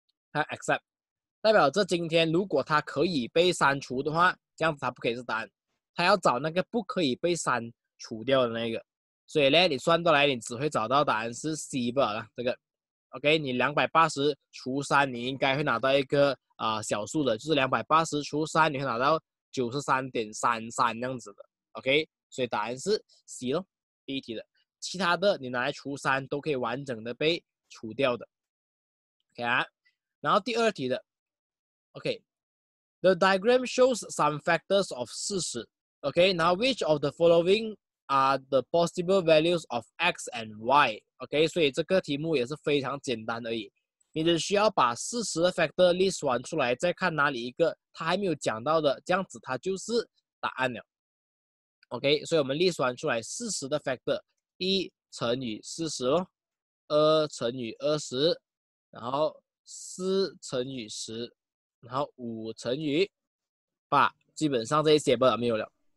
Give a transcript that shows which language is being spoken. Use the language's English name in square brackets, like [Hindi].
[Chinese] 他 accept 代表这今天如果他可以被删除的话，这样子他不可以是答案，他要找那个不可以被删除掉的那个，所以呢你算到来你只会找到答案是 C 吧，这个 OK， 你280除3你应该会拿到一个小数的，就是280除3你会拿到 93.33 这样子的 OK， 所以答案是 C 咯，第一题的，其他的你拿来除3都可以完整的被除掉的 OK 啊。然后第二题的 ，OK， [English] the diagram shows some factors of 40。 OK， now which of the following are the possible values of x and y？ [Chinese] OK， 所以这个题目也是非常简单而已，你只需要把40的 factor list 完出来，再看哪里一个它还没有讲到的，这样子它就是答案了。 OK， 所以我们 list 完出来40的 factor， 一乘以40咯，二乘以20，然后4乘以10，然后5乘以8，基本上这一些没有了。